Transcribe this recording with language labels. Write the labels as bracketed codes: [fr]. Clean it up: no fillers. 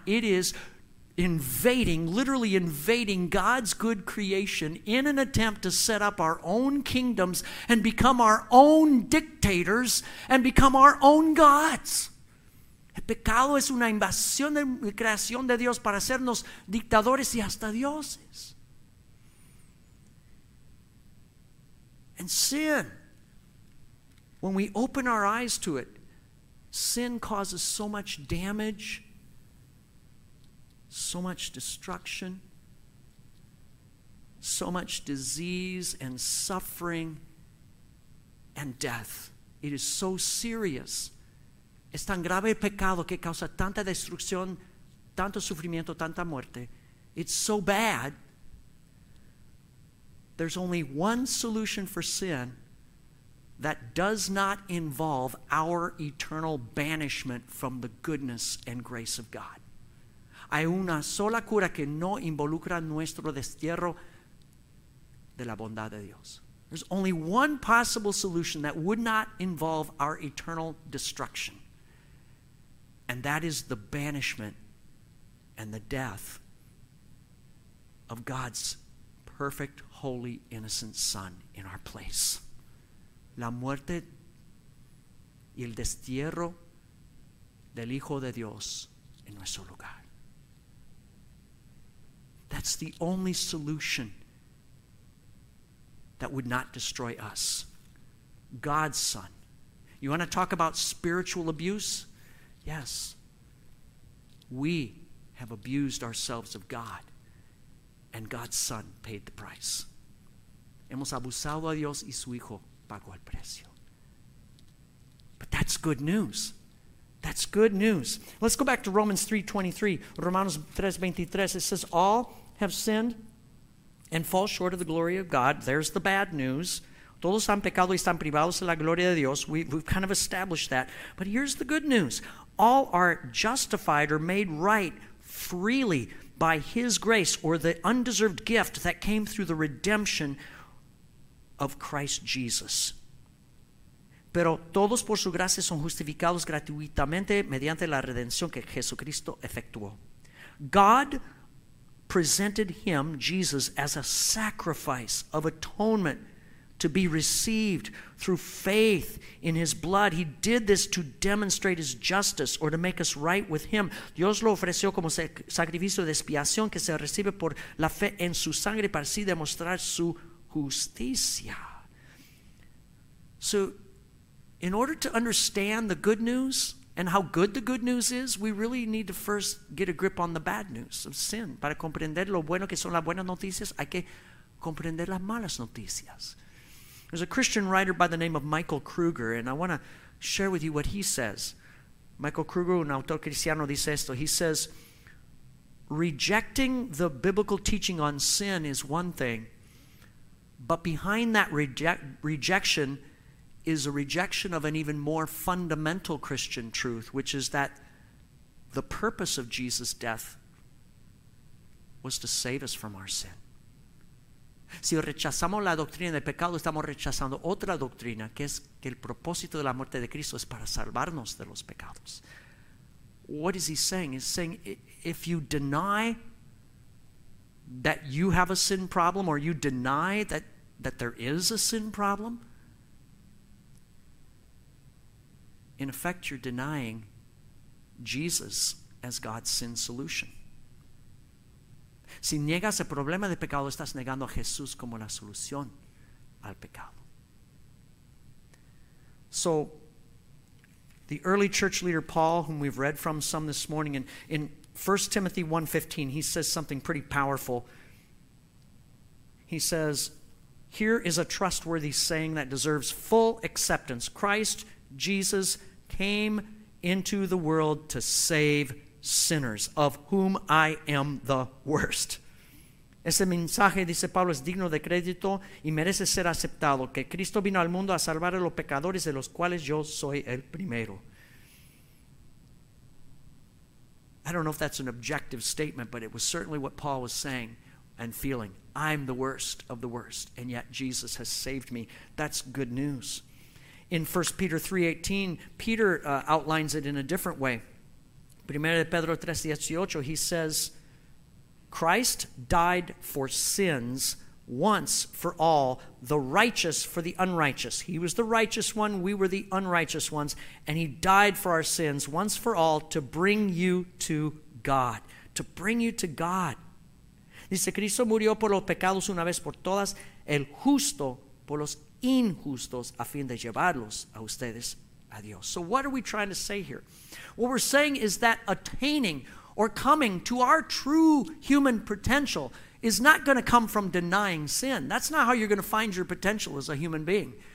[en] It is invading God's good creation in an attempt to set up our own kingdoms and become our own dictators and become our own gods. [es] El pecado es una invasión de creación de Dios para hacernos dictadores y hasta dioses. [en] And sin, when we open our eyes to it, sin causes so much damage, so much destruction, so much disease and suffering and death. It is so serious. [es] Es tan grave el pecado que causa tanta destrucción, tanto sufrimiento, tanta muerte. [en] It's so bad. There's only one solution for sin that does not involve our eternal banishment from the goodness and grace of God. [es] Hay una sola cura que no involucra nuestro destierro de la bondad de Dios. [en] There's only one possible solution that would not involve our eternal destruction. And that is the banishment and the death of God's perfect, holy, innocent Son in our place. [es] La muerte y el destierro del Hijo de Dios en nuestro lugar. [en] That's the only solution that would not destroy us. God's Son. You want to talk about spiritual abuse? Yes. We have abused ourselves of God, and God's Son paid the price. [es] Hemos abusado a Dios y su Hijo pagó el precio. [en] But that's good news. That's good news. Let's go back to Romans 3:23. [es] Romanos 3:23. [en] It says, all have sinned and fall short of the glory of God. There's the bad news. [es] Todos han pecado y están privados de la gloria de Dios. [en] We've kind of established that. But here's the good news. All are justified or made right freely by His grace or the undeserved gift that came through the redemption of Christ Jesus. [es] Pero todos por su gracia son justificados gratuitamente mediante la redención que Jesucristo efectuó. [en] God presented Him, Jesus, as a sacrifice of atonement to be received through faith in His blood. He did this to demonstrate His justice or to make us right with Him. [es] Dios lo ofreció como sacrificio de expiación que se recibe por la fe en su sangre para así demostrar su justicia. [en] So, in order to understand the good news and how good the good news is, we really need to first get a grip on the bad news of sin. [es] Para comprender lo bueno que son las buenas noticias, hay que comprender las malas noticias. [en] There's a Christian writer by the name of Michael Kruger, and I want to share with you what he says. Michael Kruger, [es] un autor cristiano, dice esto. [en] He says, rejecting the biblical teaching on sin is one thing, but behind that rejection is a rejection of an even more fundamental Christian truth, which is that the purpose of Jesus' death was to save us from our sin. [es] Si rechazamos la doctrina del pecado, estamos rechazando otra doctrina, que es que el propósito de la muerte de Cristo es para salvarnos de los pecados. [en] What is he saying? He's saying, if you deny that you have a sin problem, or you deny that there is a sin problem, in effect, you're denying Jesus as God's sin solution. [es] Si niegas el problema de pecado, estás negando a Jesús como la solución al pecado. [en] So, the early church leader Paul, whom we've read from some this morning, in 1 Timothy 1:15, he says something pretty powerful. He says, here is a trustworthy saying that deserves full acceptance. Christ Jesus came into the world to save sinners, of whom I am the worst. [es] Ese mensaje, dice Pablo, es digno de crédito y merece ser aceptado, que Cristo vino al mundo a salvar a los pecadores, de los cuales yo soy el primero. [en] I don't know if that's an objective statement, but it was certainly what Paul was saying and feeling. I'm the worst of the worst, and yet Jesus has saved me. That's good news. In 1 Peter 3:18, Peter outlines it in a different way. [es] Primero de Pedro 3:18, [en] he says, Christ died for sins once for all, the righteous for the unrighteous. He was the righteous one, we were the unrighteous ones, and he died for our sins once for all to bring you to God. To bring you to God. [es] Dice, Cristo murió por los pecados una vez por todas, el justo por los injustos, a fin de llevarlos a ustedes a Dios. [en] So what are we trying to say here? What we're saying is that attaining or coming to our true human potential is not going to come from denying sin. That's not how you're going to find your potential as a human being.